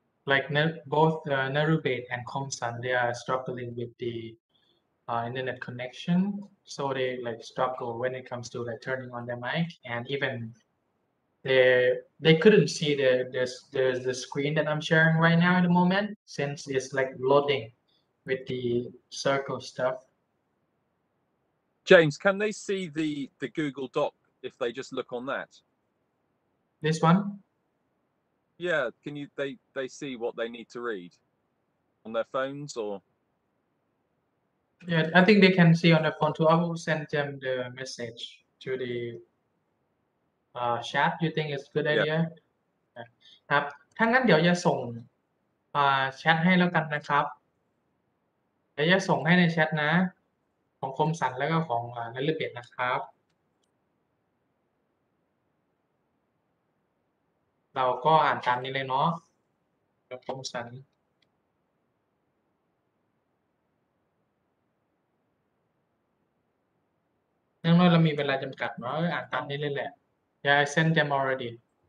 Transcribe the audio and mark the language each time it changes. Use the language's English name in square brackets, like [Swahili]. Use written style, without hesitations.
[English] like both Narube and Komsan they are struggling with the internet connection so they like struggle when it comes to like turning on their mic and evenThey couldn't see the screen that I'm sharing right now at the moment since it's like loading with the circle stuff. James, can they see the Google Doc if they just look on that? This one? Yeah, can you, they see what they need to read on their phones or? Yeah, I think they can see on their phone too. I will send them the message to the chat. You think it's a good idea? Yeah. [Thai] ครับถ้างั้นเดี๋ยวจะส่งแชทให้แล้วกันนะครับเดี๋ยวจะส่งให้ในแชทนะของคมสันแล้วก็ของนฤเบศนะครับเราก็อ่านตามนี้เลยเนาะคมสันยังน้อยเรามีเวลาจำกัดเนาะอ่านตามนี้เลยแหละ [English] Yeah, I sent them already.